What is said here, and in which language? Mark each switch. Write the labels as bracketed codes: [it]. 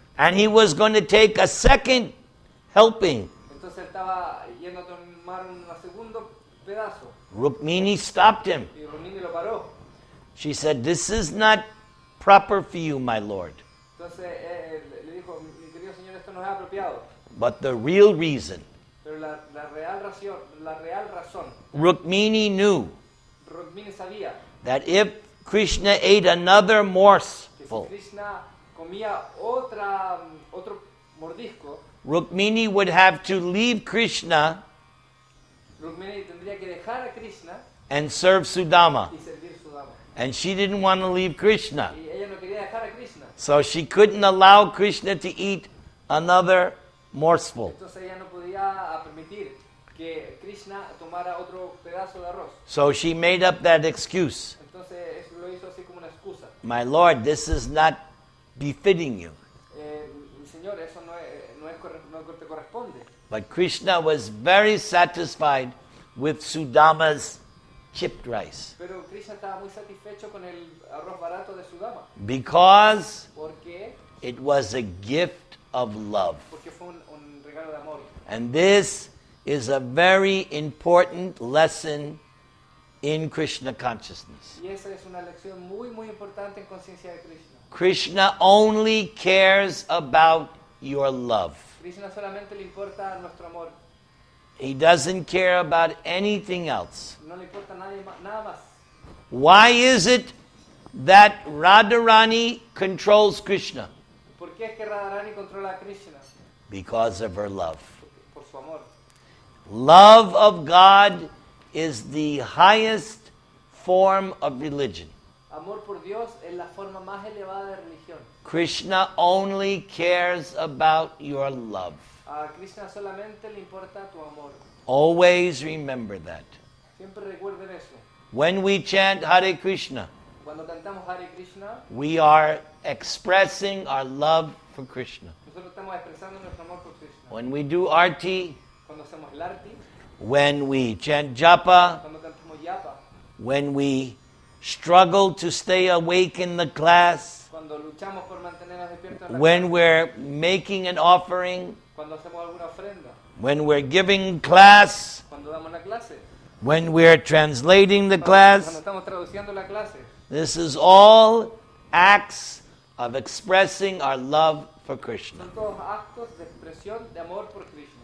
[en] And he was going to take a second helping. [es] Entonces estaba yendo a tomar un segundo pedazo. [en] Rukmini stopped him. [es] Y Rukmini lo paró. [en] She said, this is not proper for you, my lord. [es] Entonces le dijo, mi querido señor, esto no es apropiado. [en] But the real reason, [es] la real razón. [en] Rukmini knew [es] Rukmini sabía [en] that if Krishna ate another morsel, [es] si Krishna comía otro mordisco, [en] Rukmini would have to leave Krishna, [es] Rukmini tendría que dejar a Krishna [en] and serve Sudama. [es] Y servir Sudama. [en] And she didn't want to leave Krishna. [es] Y ella no quería dejar a Krishna. [en] So she couldn't allow Krishna to eat another morsel. [es] Entonces ella no podía permitir que Krishna tomara otro pedazo de arroz. [en] So she made up that excuse. [es] Entonces lo hizo así como una excusa. [en] My lord, this is not befitting you. [es] Señor, eso no te corresponde. [en] But Krishna was very satisfied with Sudama's chipped rice. [es] Pero Krishna estaba muy satisfecho con el arroz barato de Sudama. [en] Because [es] porque [en] it was a gift of love. [es] Porque fue un regalo de amor. [en] And this is a very important lesson in Krishna consciousness. [es] Y esa es una lección muy, muy importante en conciencia de Krishna. [en] Krishna only cares about your love. [es] Krishna solamente le importa nuestro amor. [en] He doesn't care about anything else. [es] No le importa nada más. [en] Why is it that Radharani controls Krishna? [es] ¿Por qué es que Radharani controla a Krishna? [en] Because of her love. [es] Por su amor. [en] Love of God is the highest form of religion. [es] Amor por Dios es la forma más elevada de religión. [en] Krishna only cares about your love. [es] A Krishna solamente le importa tu amor. [en] Always remember that. [es] Siempre recuerden eso. [en] When we chant Hare Krishna, [es] cuando cantamos Hare Krishna, [en] we are expressing our love for Krishna. [es] Nosotros estamos expresando nuestro amor por Krishna. [en] When we do arti, [es] cuando hacemos el arti, [en] when we chant japa, [es] cuando cantamos japa, [en] when we struggle to stay awake in the class, [es] cuando luchamos por mantenernos despiertos en la [en] when [es] clase, [en] we're making an offering, [es] cuando hacemos alguna ofrenda, [en] when we're giving class, [es] cuando damos una clase, [en] when we're translating the class, [es] cuando estamos traduciendo la clase, [en] this is all acts of expressing our love for Krishna. [es] Son todos actos de expresión de amor por Krishna.